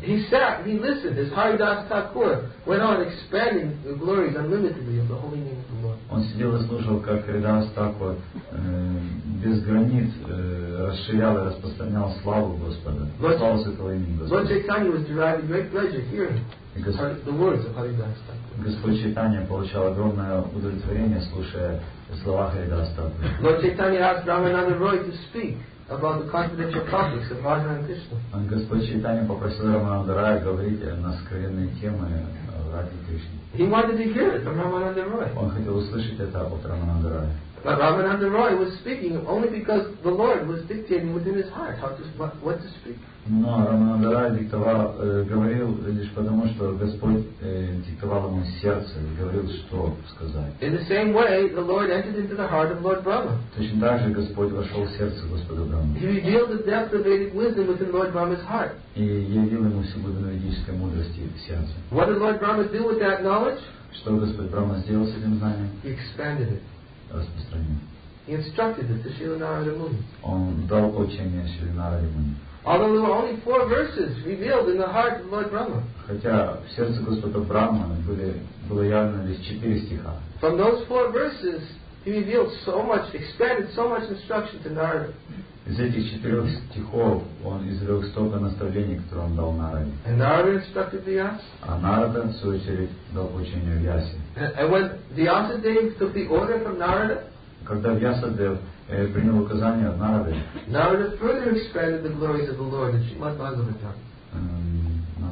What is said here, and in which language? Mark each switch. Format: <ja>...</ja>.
<en>He sat, he listened as Haridas Thakur went on expanding the glories unlimitedly of the holy name of the Lord.</en> <ru>Он сидел и слушал, как Haridas Thakur без границ расширял и распространял славу Господа, славу святого имени Господа.</ru> <en>Lord Chaitanya was deriving great pleasure hearing the words of Haridas Thakur.</en> <ru>Господь Чайтанья получал огромное удовлетворение, слушая слова Haridas Thakur.</ru> <en>Lord Chaitanya asked Ramananda Roy to speak. about the confidential topics of Radha and Krishna.</en> <ru>And Господь Чайтанья попросил Рамананда Рая говорить на скрытые темы Радхи Кришны.</ru> <en>He wanted to hear it from Рамананда Рая.</en> <ru>Он хотел услышать это от Рамананда Рая.</ru> <en>But Рамананда Рая was speaking only because the Lord was dictating within his heart how to what to speak.</en> <ru>Но Рамананда Рая диктовал, говорил лишь потому, что Господь диктовал ему сердце и говорил, что сказать.</ru> <en>In the same way, the Lord entered into the heart of Lord Brahma.</en> <ru>Точно так же Господь вошел в сердце Господа Брахмы.</ru> <en>He revealed the depth of Vedic wisdom within Lord Brahma's heart.</en> <ru>И явил ему всю глубину ведической мудрости в сердце.</ru> <en>What did Lord Brahma do with that knowledge?</en> <ru>Что Господь Брахма сделал с этим знанием?</ru> <en>He expanded it.</en> <ru>Распространил.</ru> <en>He instructed it to Śrīla Nārada Muni.</en> <ru>Он дал учение Śrīla Nārada Muni.</ru> <en>Although there were only four verses revealed in the heart of Lord Brahma.</en> <ru>Хотя в сердце Господа Брахмы было явлено лишь четыре стиха.</ru> <en>From those four verses, he revealed so much, expanded so much instruction to Narada.</en> <ru>Из этих четырех стихов он изрек столько наставлений, которые он дал Нараде.</ru> <en>And Narada instructed Vyasa.</en> <ru>А Нарада, в свою очередь, дал учение Вьясе.</ru> <en>And when Vyasadeva took the order from Narada,</en> <ru>когда Вьясадев принял указание от Нарады.</ru> <en>Narada further expanded the glories of the Lord in Srimad Bhagavatam.</en>